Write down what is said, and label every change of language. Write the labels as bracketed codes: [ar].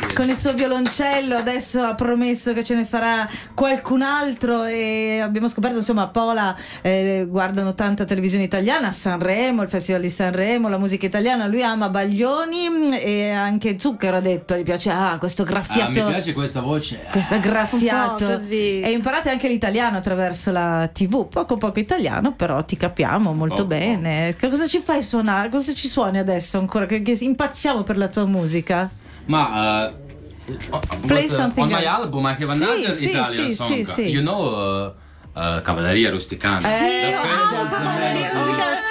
[it] Con il suo violoncello, adesso ha promesso che ce ne farà qualcun altro e abbiamo scoperto, insomma, Pola guardano tanta televisione italiana, Sanremo, il Festival di Sanremo, la musica italiana, lui ama Baglioni e anche Zucchero ha detto, gli piace questo graffiato. Mi piace questa voce. Questo graffiato. Così. E imparate anche l'italiano attraverso la TV, poco poco italiano, però ti capiamo molto bene. Poco. Cosa ci fai suonare? Cosa ci suoni adesso ancora? Che impazziamo per la tua musica? Ma [en] play something on my album I have another Italian song. You know Cavalleria Rusticana. [it] Sì, Cavalleria Rusticana.